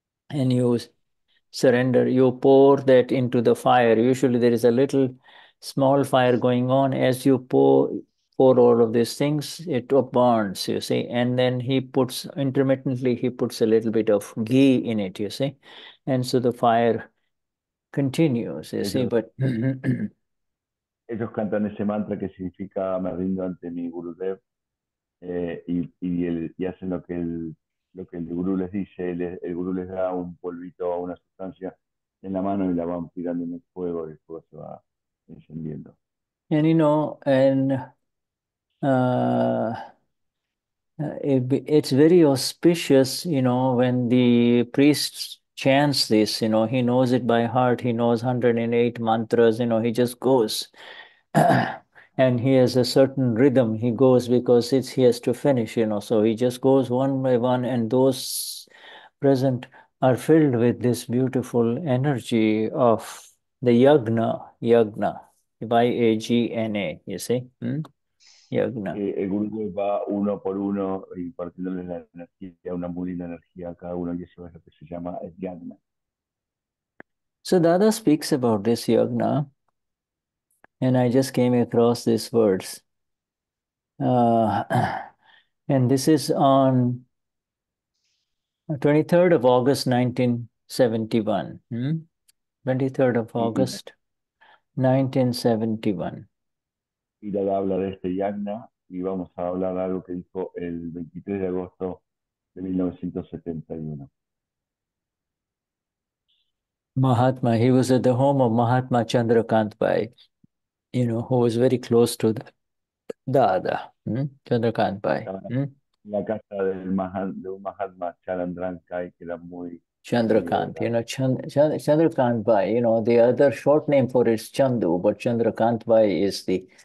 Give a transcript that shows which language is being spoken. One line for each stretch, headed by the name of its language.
English: And you surrender, you pour that into the fire. Usually there is a little small fire going on. As you pour all of these things, it burns, you see. And then he puts a little bit of ghee in it, you see. And so the fire continues, you see. But
Spanish: ellos cantan ese mantra que significa me rindo ante mi Gurudev, y hacen lo que el gurú les dice, el gurú les da un polvito o una sustancia en la mano y la van tirando en el fuego se va encendiendo.
English: And you know, it's very auspicious, you know, when the priest chants this, you know, he knows it by heart, he knows 108 mantras, you know, he just goes. And he has a certain rhythm, he goes because he has to finish, you know, so he just goes one by one, and those present are filled with this beautiful energy of the yagna, yagna, you see, yagna.
Spanish: El Gurudev va uno por uno impartiéndole la energía, una mudita energía a cada uno, y eso es lo que se llama el yagna.
English: So Dada speaks about this yagna. And I just came across these words. And this is on 23rd of August, 1971. 23rd of August, 1971.
Spanish: Y Dada habla de este yagna, y vamos a hablar de algo que dijo el 23 de agosto de 1971.
English: Mahatma, he was at the home of Mahatma Chandrakant Bhai, you know, who was very close to Dada, Chandrakant Bhai.
Spanish: La casa del Mahatma Chandrakant, que era muy...
English: Chandrakant, you know, Chandrakant Bhai, you know, the other short name for it is Chandu, but Chandrakant Bhai is the...